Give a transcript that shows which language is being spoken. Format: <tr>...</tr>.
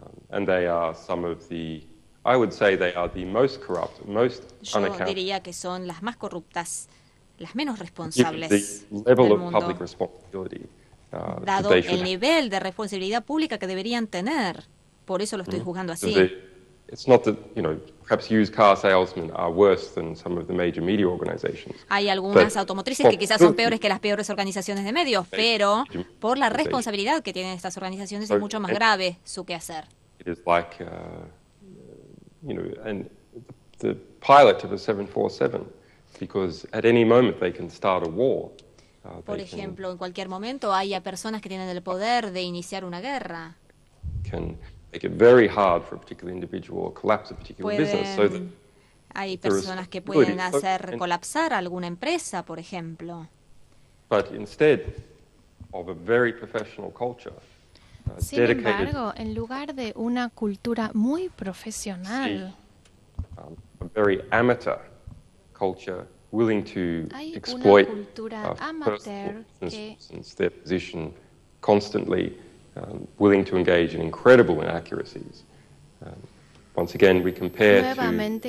<en>And they are some of the, I would say they are the most corrupt, most unaccountable.</en> <es>Yo diría que son las más corruptas, las menos responsables del mundo.</es> <en>Level of public responsibility,</en> <es>dado el nivel de responsabilidad pública que deberían tener, por eso lo estoy juzgando así.</es> <en>It's not that, you know, perhaps used car salesmen are worse than some of the major media organizations.</en> <es>Hay algunas automotrices que quizás son peores que las peores organizaciones de medios, pero por la responsabilidad que tienen estas organizaciones es mucho más grave su quehacer.</es> <en>It is like, you know, and the pilot of a 747, because at any moment they can start a war.</en> <es>Por ejemplo, en cualquier momento haya personas que tienen el poder de iniciar una guerra.</es> <en>Make it very hard for a particular individual or collapse a particular business. So that</en> <es>hay personas que pueden hacer colapsar alguna empresa, por ejemplo.</es> <en>But instead of a very professional culture,</en> <es>sin embargo, en lugar de una cultura muy profesional,</es> <en>a very amateur culture willing to exploit their position constantly. Willing to engage in incredible inaccuracies. Once again, we compare</en> <es>nuevamente</es>